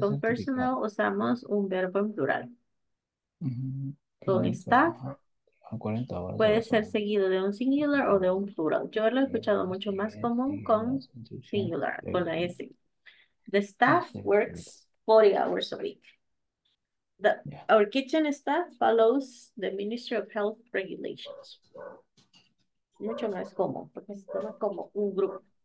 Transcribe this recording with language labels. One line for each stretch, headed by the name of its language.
Spanish: certificado. Con personal usamos un verbo en plural. Con staff. 40 horas. Puede ser seguido de un singular o de un plural. Yo lo he escuchado mucho más común con singular, con la S.
English: The staff works 40 hours a week. Our kitchen staff follows the Ministry of Health regulations.
Spanish: Mucho más común, porque se toma como un grupo.